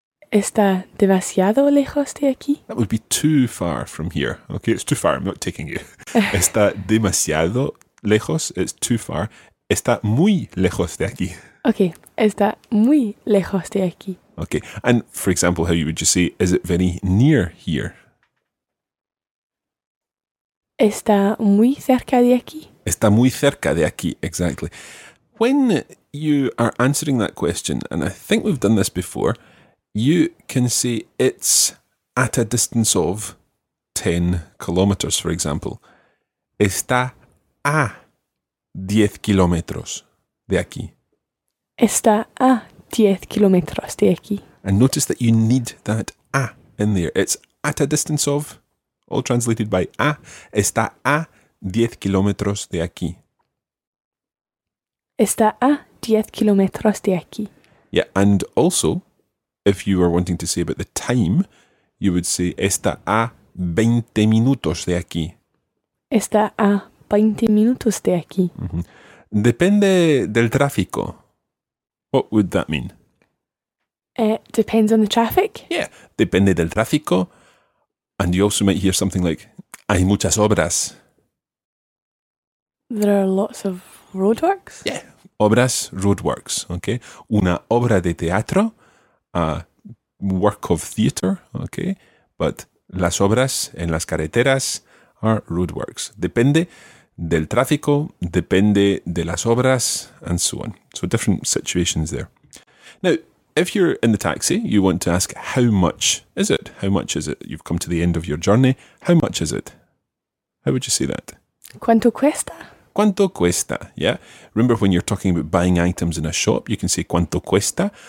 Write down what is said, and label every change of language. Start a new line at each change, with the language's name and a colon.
Spanish: Está demasiado lejos de aquí.
English: That would be too far from here. Okay, it's too far. I'm not taking you.
Spanish: Está demasiado lejos.
English: It's too far.
Spanish: Está muy lejos de aquí. Okay. Está muy lejos de aquí.
English: Okay. And for example, how you would just say, is it very near here?
Spanish: Está muy cerca de aquí. Está muy cerca de aquí. Exactly.
English: When you are answering that question, and I think we've done this before, you can say it's at a distance of 10 kilometers, for example.
Spanish: Está a 10 kilómetros de aquí. Está a 10 kilómetros de aquí.
English: And notice that you need that a in there. It's at a distance of, all translated by a.
Spanish: Está a 10 kilómetros de aquí. Está a 10 kilómetros de aquí.
English: Yeah, and also, if you were wanting to say about the time, you would say,
Spanish: está a 20 minutos de aquí. Está a 20 minutos de aquí.
English: Mm-hmm.
Spanish: Depende del tráfico.
English: What would that mean? Depends on the traffic.
Spanish: Yeah, depende del tráfico.
English: And you also might hear something like,
Spanish: hay muchas obras.
English: There are lots of roadworks? Yeah, obras, roadworks, okay?
Spanish: Una obra de teatro,
English: a work of theatre, okay? But
Spanish: las obras en las carreteras
English: are roadworks.
Spanish: Depende del tráfico, depende de las obras,
English: and so on. So different situations there. Now, if you're in the taxi, you want to ask, how much is it? How much is it? You've come to the end of your journey. How much is it? How would you say that?
Spanish: ¿Cuánto cuesta?
English: ¿Cuánto cuesta? Yeah. Remember when you're talking about buying items in a shop, you can say
Spanish: ¿cuánto cuesta?